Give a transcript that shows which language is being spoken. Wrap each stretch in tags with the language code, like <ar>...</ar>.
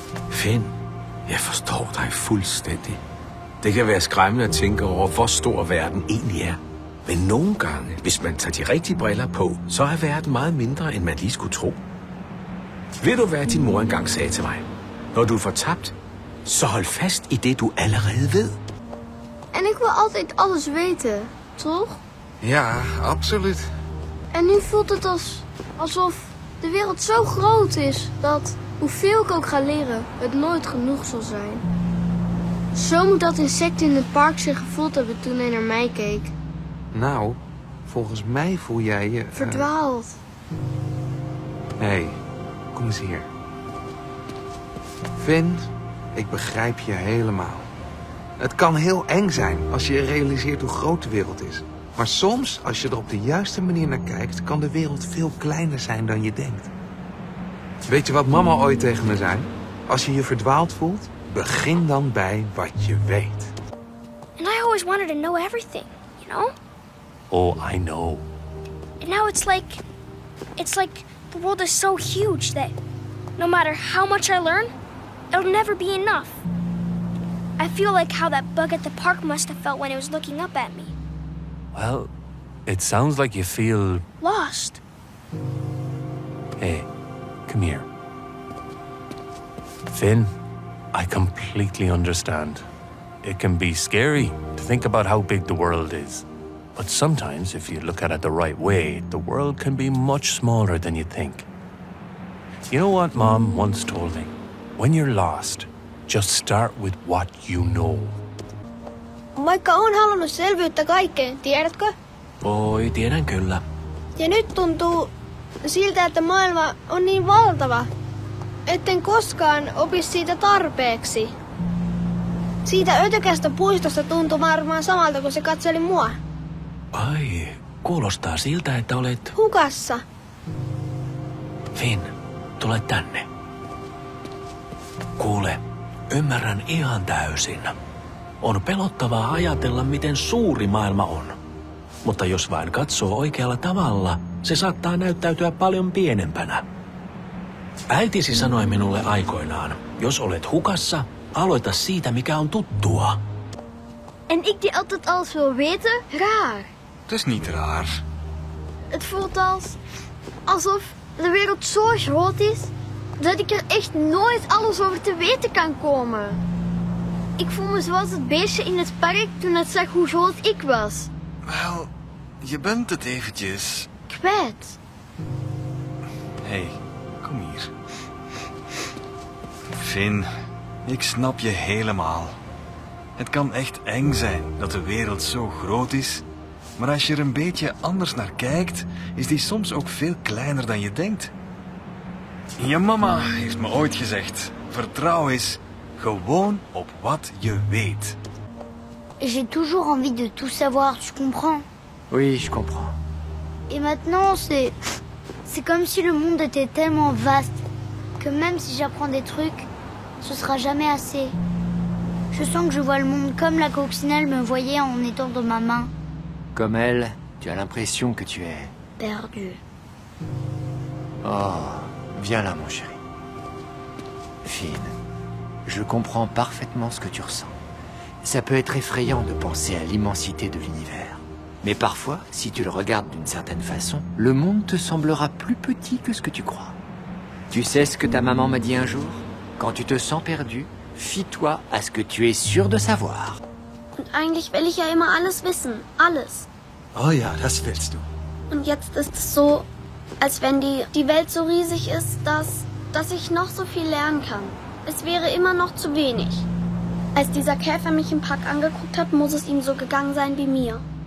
<da>Finn, jeg forstår dig fuldstændig. Det kan være skræmmende at tænke over, hvor stor verden egentlig er. Men nogle gange, hvis man tager de rigtige briller på, så er verden meget mindre, end man lige skulle tro. Ved du, hvad din mor engang sagde til mig? Når du er fortabt, så hold fast i det, du allerede ved.</da> <nl>En ik wil altijd alles weten, toch? Ja, absoluut. En nu voelt het alsof de wereld zo groot is, dat hoeveel ik ook ga leren, het nooit genoeg zal zijn. Zo moet dat insect in het park zich gevoeld hebben toen hij naar mij keek. Nou, volgens mij voel jij je... verdwaald. Hey, kom eens hier. Finn, ik begrijp je helemaal. Het kan heel eng zijn als je realiseert hoe groot de wereld is. Maar soms, als je er op de juiste manier naar kijkt, kan de wereld veel kleiner zijn dan je denkt. Weet je wat mama ooit tegen me zei? Als je je verdwaald voelt, begin dan bij wat je weet.</nl> <en>And I always wanted to know everything, you know? Oh, I know. And now it's like the world is so huge that no matter how much I learn, it'll never be enough. I feel like how that bug at the park must have felt when it was looking up at me. Well, it sounds like you feel... lost. Hey, come here. Finn, I completely understand. it can be scary to think about how big the world is. But sometimes, if you look at it the right way, the world can be much smaller than you think. You know what Mom once told me? When you're lost, just start with what you know.</en> <fi>Maikka on halunnut selviyttä kaikkeen, tiedätkö? Voi, tiedän kyllä. Ja nyt tuntuu siltä, että maailma on niin valtava, etten koskaan opi siitä tarpeeksi. Siitä ötökästä puistosta tuntui varmaan samalta, kun se katseli mua. Ai, kuulostaa siltä, että olet... hukassa. Finn, tule tänne. Kuule, ymmärrän ihan täysin. On pelottavaa ajatella, miten suuri maailma on. Mutta jos vain katsoo oikealla tavalla, se saattaa näyttäytyä paljon pienempänä. Äitisi sanoi minulle aikoinaan, jos olet hukassa, aloita siitä, mikä on tuttua.</fi> <nl>En ik die altijd alles wil weten? Raar. Het is niet raar. Het voelt alsof de wereld zo groot is, dat ik er echt nooit alles over te weten kan komen. Ik voel me zoals het beestje in het park toen het zag hoe groot ik was. Wel, je bent het eventjes... kwijt. Hey, kom hier. Finn, ik snap je helemaal. Het kan echt eng zijn dat de wereld zo groot is. Maar als je er een beetje anders naar kijkt, is die soms ook veel kleiner dan je denkt. Je mama heeft me ooit gezegd, vertrouw eens gewoon op wat je weet.</nl> <fr>J'ai toujours envie de tout savoir, tu comprends? Oui, je comprends. Et maintenant, c'est comme si le monde était tellement vaste que même si j'apprends des trucs, ce sera jamais assez. Je sens que je vois le monde comme la coccinelle me voyait en étant dans ma main. Comme elle, tu as l'impression que tu es... perdu. Oh, viens là, mon chéri. Finn, je comprends parfaitement ce que tu ressens. Ça peut être effrayant de penser à l'immensité de l'univers. Mais parfois, si tu le regardes d'une certaine façon, le monde te semblera plus petit que ce que tu crois. Tu sais ce que ta maman m'a dit un jour? Quand tu te sens perdu, fie-toi à ce que tu es sûr de savoir.</fr> <de>Und eigentlich will ich ja immer alles wissen, alles. Oh ja, das willst du. Und jetzt ist es so, als wenn die Welt so riesig ist, dass ich noch so viel lernen kann. Es wäre immer noch zu wenig. Als dieser Käfer mich im Park angeguckt hat, muss es ihm so gegangen sein wie mir.</de>